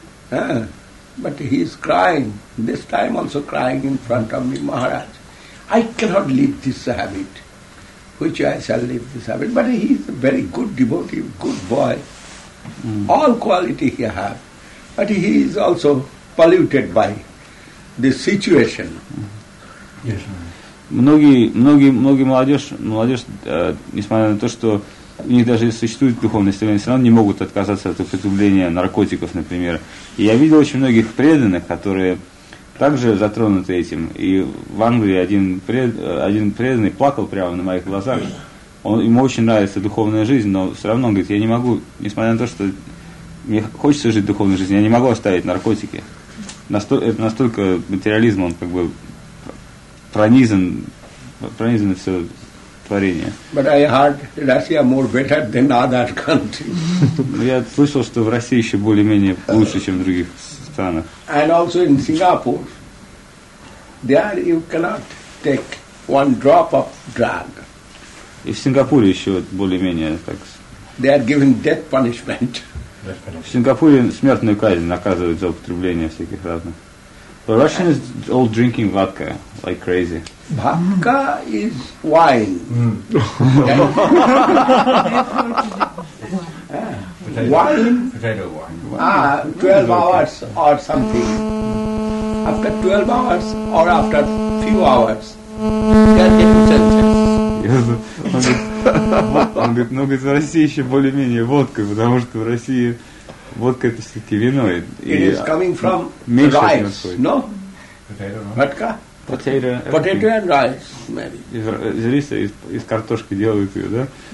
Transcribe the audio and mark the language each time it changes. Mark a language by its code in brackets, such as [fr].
[en] But he is crying, this time also crying in front of me, Maharaj. I cannot leave this habit. Which I shall leave this habit. But he is a very good devotee, good boy. Mm. All quality he has. But he is also polluted by the situation. Mm. Yes, [ru] Многие молодежь, несмотря на то, что у них даже существует духовность, они все равно не могут отказаться от употребления наркотиков, например. И я видел очень многих преданных, которые также затронуты этим. И в Англии один преданный плакал прямо на моих глазах. Ему очень нравится духовная жизнь, но все равно он говорит, я не могу, несмотря на то, что мне хочется жить духовной жизнью, я не могу оставить наркотики. Настолько материализм, он как бы пронизан все творение. [en] But I heard Russia more better than other countries. [ru] Я слышал, что в России еще более-менее лучше, чем в других странах. [en] And also in Singapore, there you cannot take one drop of drug. [ru] И в Сингапуре еще более-менее так. [en] They are given death punishment. [ru] В Сингапуре смертную казнь наказывают за употребление всяких разных. [en] But Russians all drinking vodka like crazy. Vodka is wine. Mm. Potato. Wine. Potato wine. 12 hours or something. After 12 hours or after few hours, they are getting senses. [ru] Он говорит, ну, говорит, в России еще более-менее водка, потому что в России водка это все-таки вино. [en] It is coming from rice, no? Potato. [ru] Водка? [en] Potato and rice, maybe. [ru] Из риса, из картошки делают ее, да?